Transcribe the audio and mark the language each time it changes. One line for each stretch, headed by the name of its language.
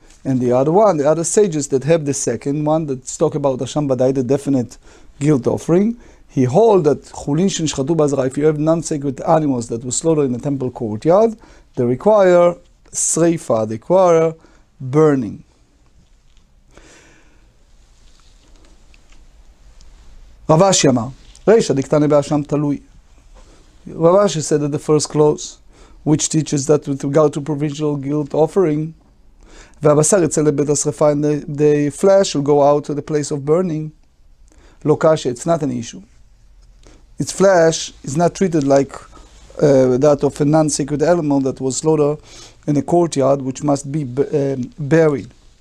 English: And the other one, the other sages that have the second one that's talk about Hashem Vadai, the definite guilt offering, he hold that
Hebrew: chulin shenishchatu bazra,
English: if you have non-sacred animals that were slaughtered in a temple courtyard, they require sreifa, they require burning.
Aramaic: רב אשי אמר, רישא דקטני באשם תלוי.
English: רב אשי said that the first clause, which teaches that with regard to provincial guilt offering,
Hebrew: והבשר יצא לבית השריפה,
English: and the flesh will go out to the place of burning.
Aramaic: לא קשה,
English: it's not an issue. Its flesh is not treated like that of a non-sacred animal that was slaughtered in a courtyard, which must be buried.